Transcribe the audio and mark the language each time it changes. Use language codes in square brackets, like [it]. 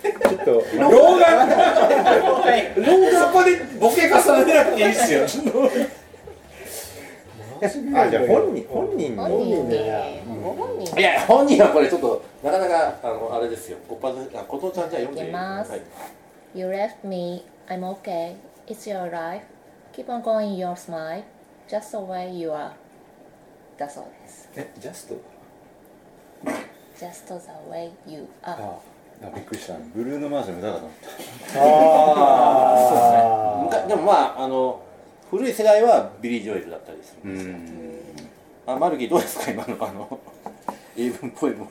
[ja] ちょっと老眼。老眼そこでボケ重ねなくていいですよ。あ、じゃあ本人ね、本人ね、いや本人はこれちょっとなかなかあのあれですよ。ことちゃんじゃ読んでいきます、はい、 [en] You left me, I'm okay, it's your life, keep on going your smile, just the way you are, [ja] だそうです。え、 [en] just? Just the way you are。 [ja] あ、びっくりした、ブルーノマーズの歌だと思った。あそうですね。でもまああの古い世代はビリー・ジョエルだったりするんですか。マルキーどうですか今のあの英文ポエム